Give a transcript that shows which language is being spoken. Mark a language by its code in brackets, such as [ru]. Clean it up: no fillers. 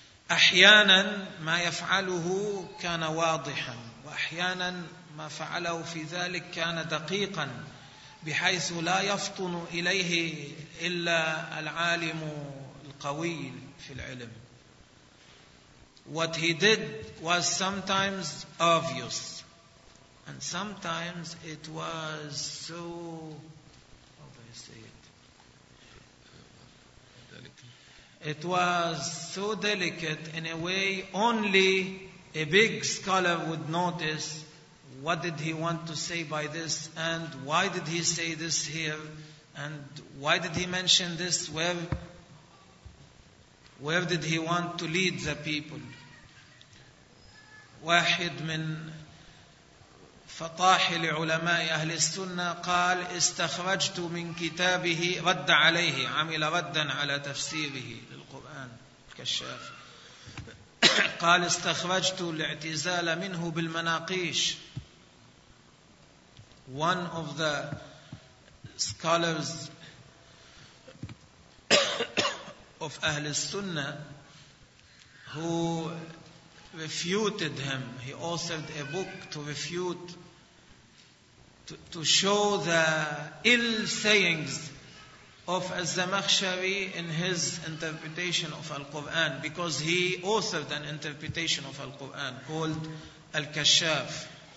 [ar] أحياناً ما يفعله كان واضحاً وأحياناً ما فعله في ذلك كان دقيقاً بحيث لا يفطن إليه إلا العالم القوي في العلم. [en] What he did was sometimes obvious, and sometimes it was so, how do I say it? It was so delicate in a way only a big scholar would notice. What did he want to say by this, and why did he say this here, and why did he mention this? Where did he want to lead the people? [ar] واحد من فطاحل علماء أهل السنة قال استخرجت من كتابه رد عليه عمل ردا على تفسيره للقرآن الكشاف قال استخرجت الاعتزال منه بالمناقيش. [en] One of the scholars of أهل السنة who refuted him, he authored a book to refute, to show the ill sayings of Az-Zamakhshari in his interpretation of Al-Quran, because he authored an interpretation of Al-Quran called Al-Kashaf.